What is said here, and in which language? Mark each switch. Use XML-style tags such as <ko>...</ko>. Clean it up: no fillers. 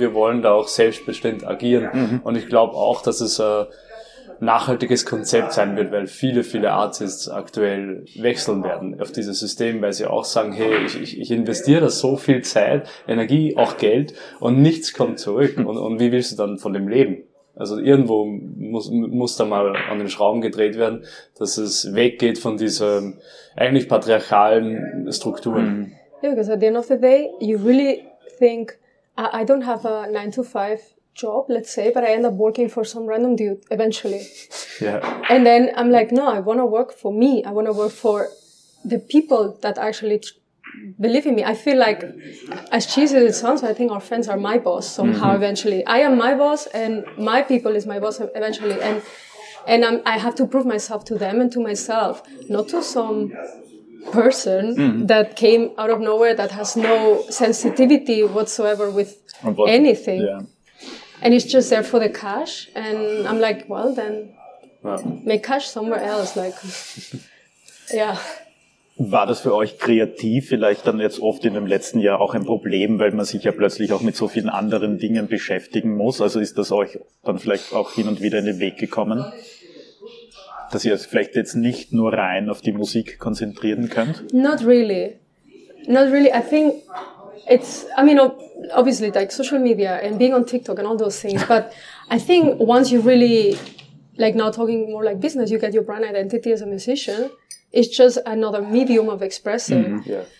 <de>Wir wollen da auch selbstbestimmt agieren. Und ich glaube auch, dass es ein nachhaltiges Konzept sein wird, weil viele, viele Artists aktuell wechseln werden auf dieses System, weil sie auch sagen, hey, ich investiere da so viel Zeit, Energie, auch Geld, und nichts kommt zurück. Und wie willst du dann von dem leben? Also irgendwo muss da mal an den Schrauben gedreht werden, dass es weggeht von diesen eigentlich patriarchalen Strukturen.</de> <en>Ja, yeah, because at the end of the day, you really think, I don't have a 9-to-5 job, let's say, but I end up working for some random dude eventually. Yeah. And then I'm like, no, I want to work for me. I want to work for the people that actually believe in me. I feel like, as cheesy as it sounds, I think our fans are my boss somehow eventually. I am my boss, and my people is my boss eventually. And I have to prove myself to them and to myself, not to some person that came out of nowhere that has no sensitivity whatsoever with anything. Yeah. And it's just there for the cash. And I'm like, well, then make cash somewhere else. Like, yeah.</en> <de>War das für euch kreativ vielleicht dann jetzt oft in dem letzten Jahr auch ein Problem, weil man sich ja plötzlich auch mit so vielen anderen Dingen beschäftigen muss? Also ist das euch dann vielleicht auch hin und wieder in den Weg gekommen, dass ihr vielleicht jetzt nicht nur rein auf die Musik konzentrieren könnt?</de> <en>Not really. I think it's, I mean, obviously like social media and being on TikTok and all those things, but I think once you really, like now talking more like business, you get your brand identity as a musician, it's just another medium of expressing. Mm-hmm. Yeah.</en>